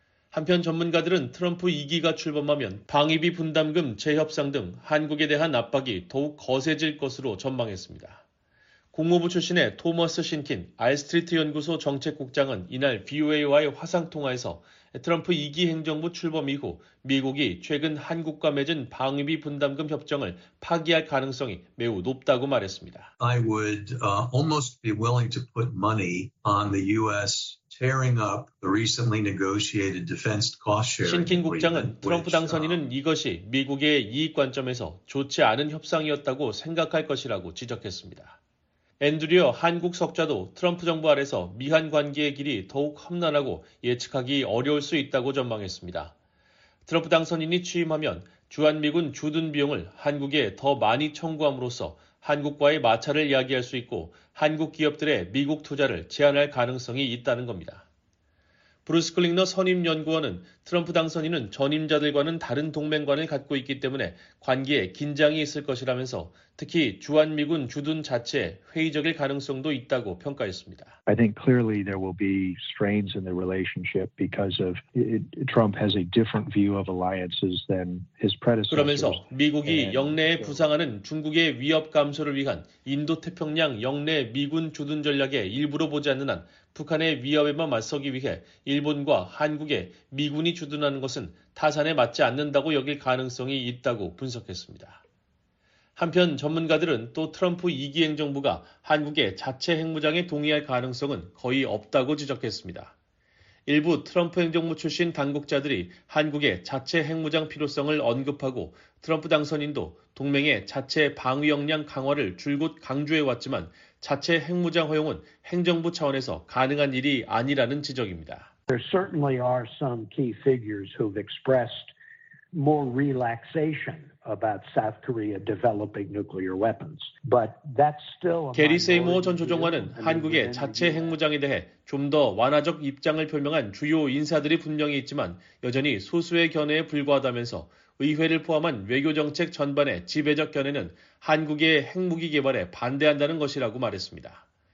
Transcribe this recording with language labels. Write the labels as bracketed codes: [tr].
[ko] 한편 전문가들은 트럼프 2기가 출범하면 방위비 분담금 재협상 등 한국에 대한 압박이 더욱 거세질 것으로 전망했습니다. 국무부 출신의 토머스 신킨 알스트리트 연구소 정책국장은 이날 VOA와의 화상통화에서 트럼프 2기 행정부 출범 이후 미국이 최근 한국과 맺은 방위비 분담금 협정을 파기할 가능성이 매우 높다고 말했습니다. [en] I would almost be willing to put money on the U.S. tearing up the recently negotiated defense cost sharing. [ko] 신킨 국장은 트럼프 당선인은 이것이 미국의 이익 관점에서 좋지 않은 협상이었다고 생각할 것이라고 지적했습니다. 앤드류 한국 석좌도 트럼프 정부 아래서 미한 관계의 길이 더욱 험난하고 예측하기 어려울 수 있다고 전망했습니다. 트럼프 당선인이 취임하면 주한미군 주둔 비용을 한국에 더 많이 청구함으로써 한국과의 마찰을 야기할 수 있고 한국 기업들의 미국 투자를 제한할 가능성이 있다는 겁니다. 브루스 클링너 선임 연구원은 트럼프 당선인은 전임자들과는 다른 동맹관을 갖고 있기 때문에 관계에 긴장이 있을 것이라면서 특히 주한미군 주둔 자체에 회의적일 가능성도 있다고 평가했습니다. [en] I think clearly there will be strains in the relationship because of Trump has a different view of alliances than his predecessors. [ko] 그러면서 미국이 영내에 부상하는 중국의 위협 감소를 위한 인도태평양 영내 미군 주둔 전략에 일부러 보지 않는 한 북한의 위협에만 맞서기 위해 일본과 한국의 미군이 주둔하는 것은 타산에 맞지 않는다고 여길 가능성이 있다고 분석했습니다. 한편 전문가들은 또 트럼프 2기 행정부가 한국의 자체 핵무장에 동의할 가능성은 거의 없다고 지적했습니다. 일부 트럼프 행정부 출신 당국자들이 한국의 자체 핵무장 필요성을 언급하고 트럼프 당선인도 동맹의 자체 방위 역량 강화를 줄곧 강조해왔지만 자체 핵무장 허용은 행정부 차원에서 가능한 일이 아니라는 지적입니다. [en] There certainly are some key figures who've expressed more relaxation about South Korea developing nuclear weapons. But that's still [ko] 게리 세이모 전 조정관은 한국의 자체 핵무장에 대해 좀 더 완화적 입장을 표명한 주요 인사들이 분명히 있지만 여전히 소수의 견해에 불과하다면서 의회를 포함한 외교정책 전반의 지배적 견해는 한국의 핵무기 개발에 반대한다는 것이라고 말했습니다.